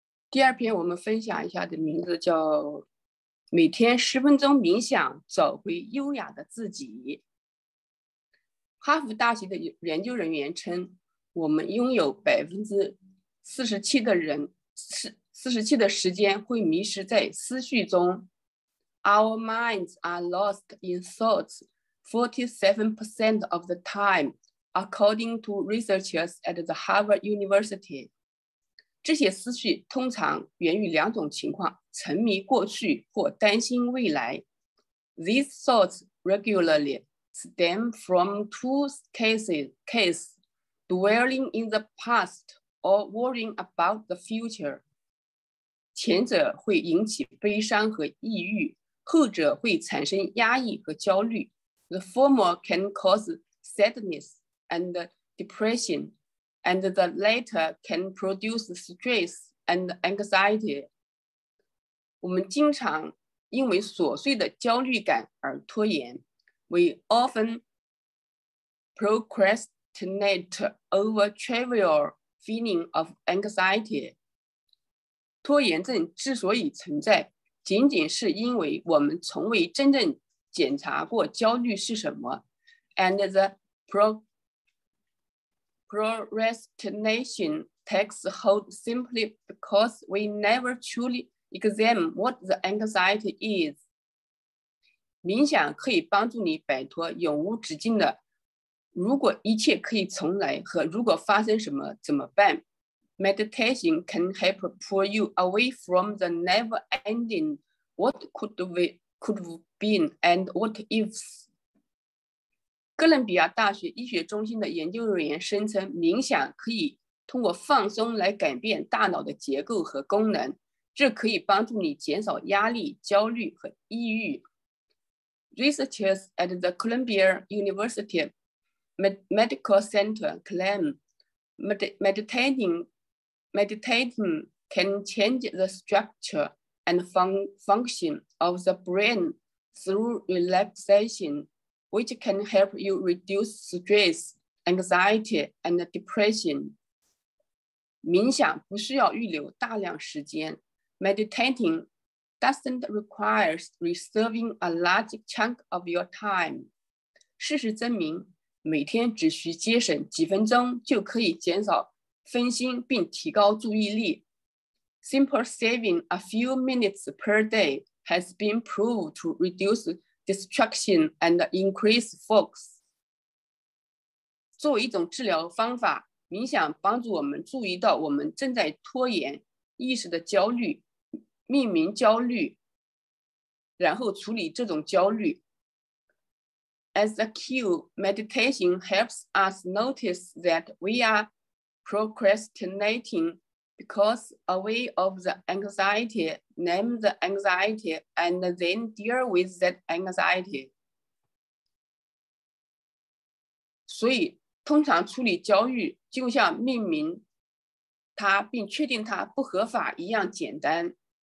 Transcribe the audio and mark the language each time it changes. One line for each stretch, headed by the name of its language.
Chinese: 第二篇我们分享一下的名字叫每天十分钟冥想找回优雅的自己。哈佛大学的研究人员称，我们拥有 47% 的人 47% 的时间会迷失在思绪中。
English: Our minds are lost in thoughts 47% of the time according to researchers at the Harvard University.
Chinese: 这些思绪通常源于两种情况，沉迷过去或担心未来。
English: These thoughts regularly stem from two cases. dwelling in the past or worrying about the future.
Chinese: 前者会引起悲伤和抑郁，后者会产生压抑和焦虑。
English: The former can cause sadness and depression, and the latter can produce stress and anxiety.
Chinese: 我们经常因为琐碎的焦虑感而拖延。
English: We often procrastinate over trivial feeling of anxiety.
Chinese: 拖延症之所以存在，仅仅是因为我们从未真正检查过焦虑是什么。
English: And the procrastination takes hold simply because we never truly examine what the anxiety is.
Chinese: 冥想可以帮助你摆脱永无止境的如果一切可以重来和如果发生什么怎么办。
English: Meditation can help pull you away from the never-ending what could have been and what ifs.
Chinese: 哥伦比亚大学医学中心的研究人员声称，冥想可以通过放松来改变大脑的结构和功能，这可以帮助你减少压力、焦虑和抑郁。
English: Researchers at the Columbia University Medical Center claim Meditating can change the structure and function of the brain through relaxation, which can help you reduce stress, anxiety, and depression.
Chinese: 冥想不需要预留大量时间。
English: Meditating doesn't require reserving a large chunk of your time.
Chinese: 事实证明，每天只需节省几分钟就可以减少分心并提高注意力。
English: Simple saving a few minutes per day has been proved to reduce distraction and increase focus.
Chinese: 作为一种治疗方法，冥想帮助我们注意到我们正在拖延意识的焦虑，命名焦虑，然后处理这种焦虑。
English: As a cue, meditation helps us notice that we areprocrastinating because aware of the anxiety, name the anxiety, and then deal with that anxiety.
Chinese: 所以通常处理焦虑就像命名它并确定它不合法一样简单。